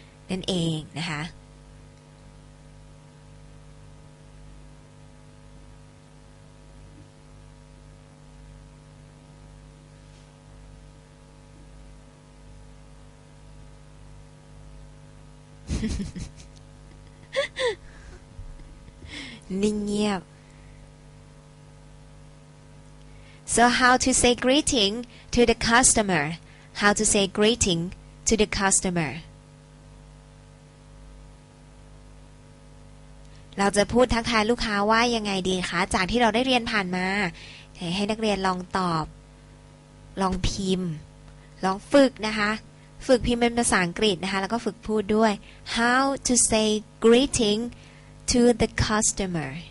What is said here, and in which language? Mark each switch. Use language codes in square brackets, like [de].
[th] นั่นเองนะคะนิ่งเงียบ [en] So how to say greeting to the customer? How to say greeting to the customer? [th] เราจะพูดทักทายลูกค้าว่ายังไงดีคะจากที่เราได้เรียนผ่านมาให้นักเรียนลองตอบลองพิมพ์ลองฝึกนะคะฝึกพิมพ์เป็นภาษาอังกฤษนะคะแล้วก็ฝึกพูดด้วย [en] How to say greeting to the customer?